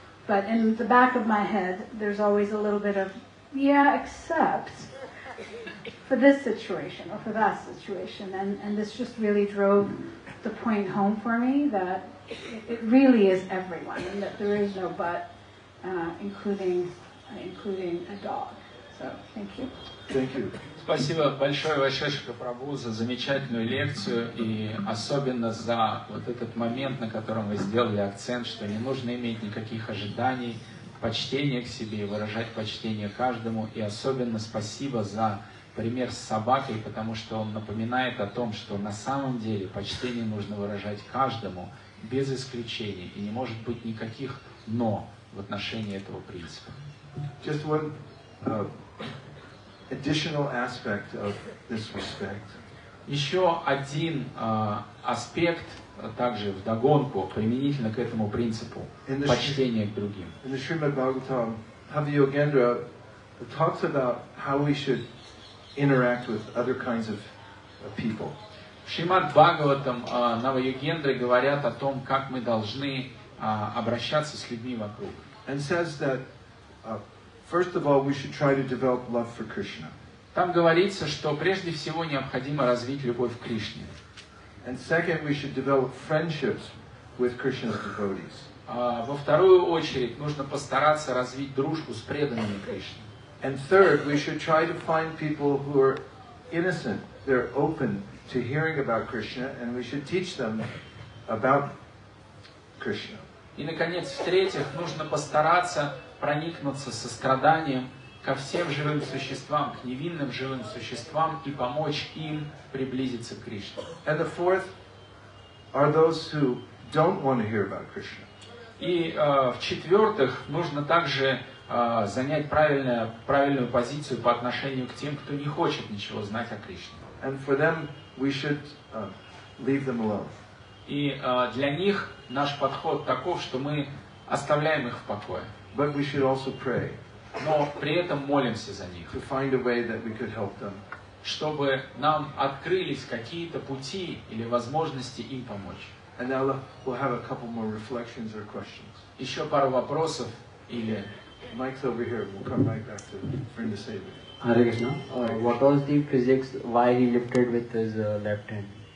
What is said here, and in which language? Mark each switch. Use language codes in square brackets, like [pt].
[en] But in the back of my head, there's always a little bit of, yeah, except for this situation or for that situation. And this just really drove the point home for me that it really is everyone and that there is no but, including a dog. So thank you. Thank you. [ru] Спасибо большое, Вайшешика Прабху, за замечательную лекцию и особенно за вот этот момент, на котором вы сделали акцент, что не нужно иметь никаких ожиданий, почтения к себе и выражать почтение каждому. И особенно спасибо за пример с собакой, потому что он напоминает о том, что на самом деле почтение нужно выражать каждому, без исключения, и не может быть никаких «но» в отношении этого принципа. [en] Just one... additional aspect of this respect. [ru] Еще один аспект также вдогонку применительно к этому принципу почтения к другим. [en] In the Srimad Bhagavatam, Havya Yogendra talks about how we should interact with other kinds of people. [ru] В Шримад Бхагаватам Навайогендры говорят о том, как мы должны обращаться с людьми вокруг. [en] And says that first of all, we should try to develop love for Krishna. [ru] Там говорится, что прежде всего необходимо развить любовь к Кришне. [en] And second, we should develop friendships with Krishna's devotees. [ru] Во вторую очередь, нужно постараться развить дружбу с преданными Кришне. [en] And third, we should try to find people who are innocent, they're open to hearing about Krishna, and we should teach them about Krishna. [ru] И наконец, в-третьих, нужно постараться проникнуться состраданием ко всем живым существам, к невинным живым существам и помочь им приблизиться к Кришне. [en] And the fourth are those who don't want to hear about Krishna. [ru] И в-четвертых, нужно также занять правильную позицию по отношению к тем, кто не хочет ничего знать о Кришне. [en] And for them we should leave them alone. [ru] И для них наш подход таков, что мы оставляем их в покое. [en] But we should also pray. [ru] Но при этом молимся за них. [en] To find a way that we could help them. [ru] Чтобы нам открылись какие-то пути или возможности им помочь. [en] And now we'll have a couple more reflections or questions. [ru] Еще пару вопросов или... [en] Mike's over here. We'll come right back to bring the saber. Hare Krishna. What was the physics why he lifted with his left hand?